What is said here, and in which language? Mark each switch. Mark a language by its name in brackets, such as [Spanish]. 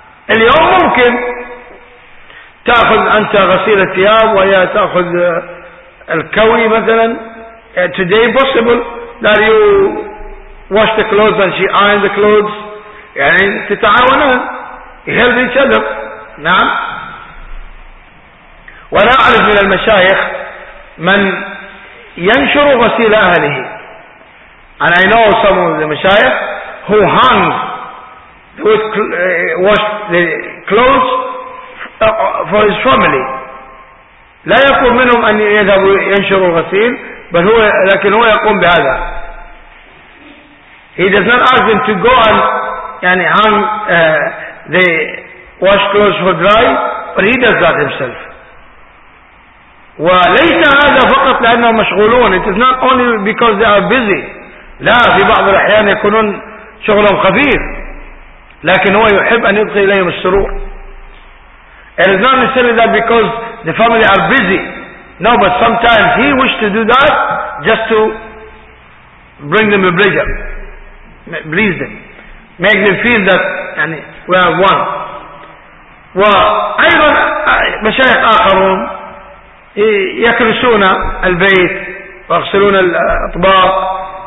[Arabic] اليوم ممكن تأخذ أنت غسيل الثياب وهي تأخذ الكوي مثلا. [English] Today possible that you wash the clothes and she iron the clothes. [Arabic] يعني تتعاونان. [English] You help each other. نعم. [Arabic] ولا أعرف من المشايخ من ينشر غسيل أهله. [English] And I know some of the مشايخ who hung with wash the clothes for his family. [Arabic] لا يقوم منهم أن يذهب ينشر الغسيل بل هو لكن هو يقوم بهذا. [English] He does not ask them to go and يعني hang the wash clothes for dry but he does that himself. [Arabic] وليس هذا فقط لأنهم مشغولون. [English] It is not only because they are busy. [Arabic] لا في بعض الأحيان يكونون شغلهم خفيف لكن هو يحب أن يدخل إليهم السرور. [English] It is not necessarily that because the family are busy. No, but sometimes he wished to do that just to bring them a pleasure. Please them. Make them feel that يعني, we are one. [Arabic] وأيضا مشايخ آخرون يكرسون البيت ويغسلون الأطباق.